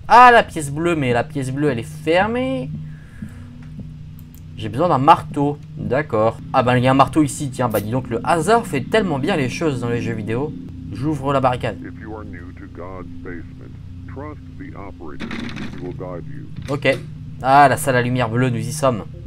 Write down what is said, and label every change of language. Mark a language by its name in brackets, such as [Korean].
[French] Ah, la pièce bleue, mais la pièce bleue, elle est fermée. J'ai besoin d'un marteau. D'accord. Ah, bah, il y a un marteau ici, tiens. Bah, dis donc, le hasard fait tellement bien les choses dans les jeux vidéo. J'ouvre la barricade. [English] If you are new to God's basement, trust the operator. He will guide you. Ok. [French] Ah, la salle à lumière bleue, nous y sommes.